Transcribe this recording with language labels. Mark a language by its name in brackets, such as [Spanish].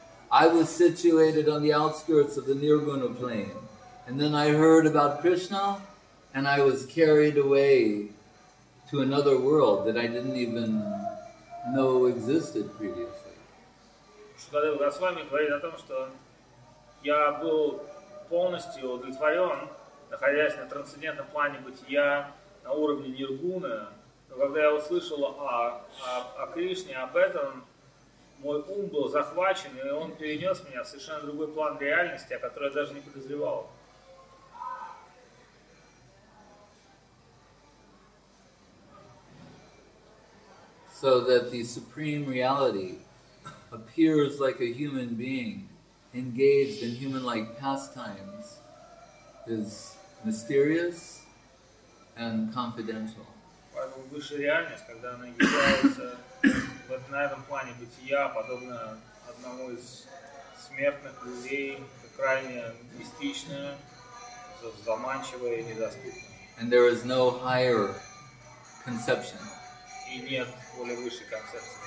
[English] I was situated on the outskirts of the Nirguna plain, and then I heard about Krishna, and I was carried away to another world that I didn't even know existed previously. [Russian] Sukadeva Goswami говорит о том, что я был полностью удовлетворен, находясь на трансцендентном плане бытия, на уровне Ниргуны. Но когда я услышал о Кришне, об этом, мой ум был захвачен, и он перенес меня в совершенно другой план реальности, о которой я даже не подозревал. [English] So that the supreme reality appears like a human being engaged in human-like pastimes is mysterious and confidential. [Russian] Поэтому высшая реальность, когда она является вот на этом плане бытия, подобно одному из смертных людей, крайне мистичная, заманчивая и недоступная. [English] And there is no higher conception. [Russian] И нет более высшей концепции.